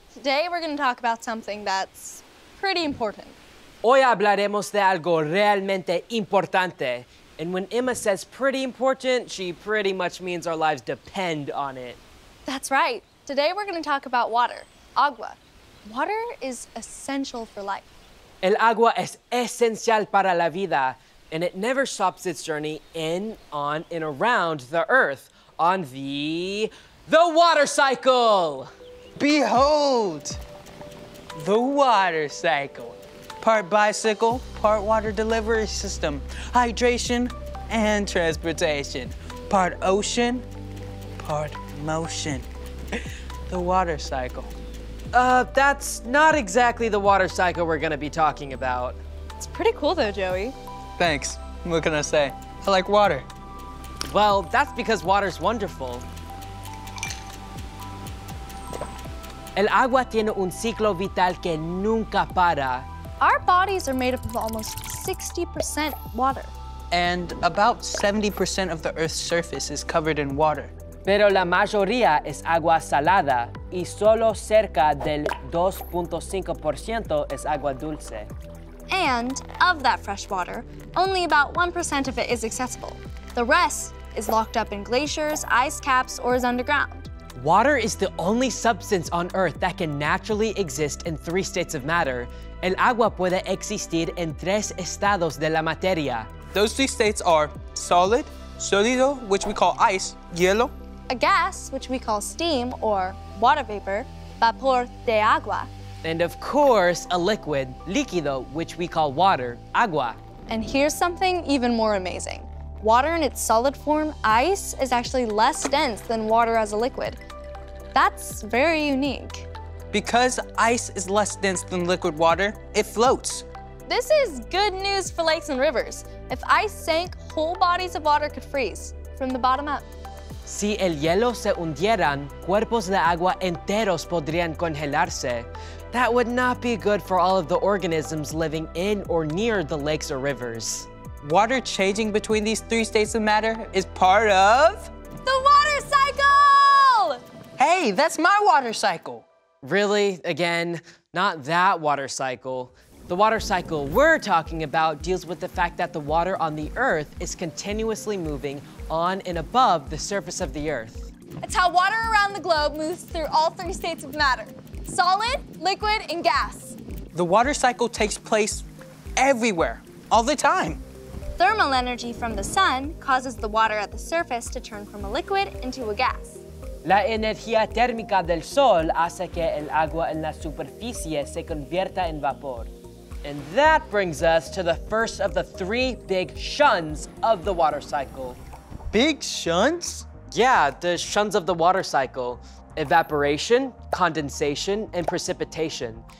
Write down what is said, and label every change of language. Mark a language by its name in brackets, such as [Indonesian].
[English] Today we're going to talk about something that's pretty important. [Spanish] Hoy hablaremos de algo realmente importante. [English] And when Emma says pretty important, she pretty much means our lives depend on it. That's right. Today we're going to talk about water, agua. Water is essential for life. [Spanish] El agua es esencial para la vida, [English] and it never stops its journey in, on, and around the earth. On the water cycle. Behold, the water cycle. Part bicycle, part water delivery system, hydration and transportation. Part ocean, part motion. The water cycle. That's not exactly the water cycle we're gonna be talking about. It's pretty cool though, Joey. Thanks, what can I say? I like water. Well, that's because water's wonderful. [Spanish] El agua tiene un ciclo vital que nunca para. [English] Our bodies are made up of almost 60% water. And about 70% of the Earth's surface is covered in water. [Spanish] Pero la mayoría es agua salada y solo cerca del 2.5% es agua dulce. [English] And of that fresh water, only about 1% of it is accessible. The rest is locked up in glaciers, ice caps, or is underground. Water is the only substance on Earth that can naturally exist in three states of matter. [Spanish] El agua puede existir en tres estados de la materia. [English] Those three states are solid, sólido, which we call ice, hielo. A gas, which we call steam, or water vapor, [Spanish] vapor de agua. [English] And of course, a liquid, líquido, which we call water, agua. And here's something even more amazing. Water in its solid form, ice, is actually less dense than water as a liquid. That's very unique. Because ice is less dense than liquid water, it floats. This is good news for lakes and rivers. If ice sank, whole bodies of water could freeze from the bottom up. [Spanish] Si el hielo se hundieran, cuerpos de agua enteros podrían congelarse. [English] That would not be good for all of the organisms living in or near the lakes or rivers. Water changing between these three states of matter is part of... the water cycle! Hey, that's my water cycle. Really? Again, not that water cycle. The water cycle we're talking about deals with the fact that the water on the Earth is continuously moving on and above the surface of the Earth. It's how water around the globe moves through all three states of matter. Solid, liquid, and gas. The water cycle takes place everywhere, all the time. Thermal energy from the sun causes the water at the surface to turn from a liquid into a gas. [Spanish] La energía térmica del sol hace que el agua en la superficie se convierta en vapor. [English] And that brings us to the first of the three big shuns of the water cycle. Big shuns? Yeah, the shuns of the water cycle. Evaporation, condensation, and precipitation.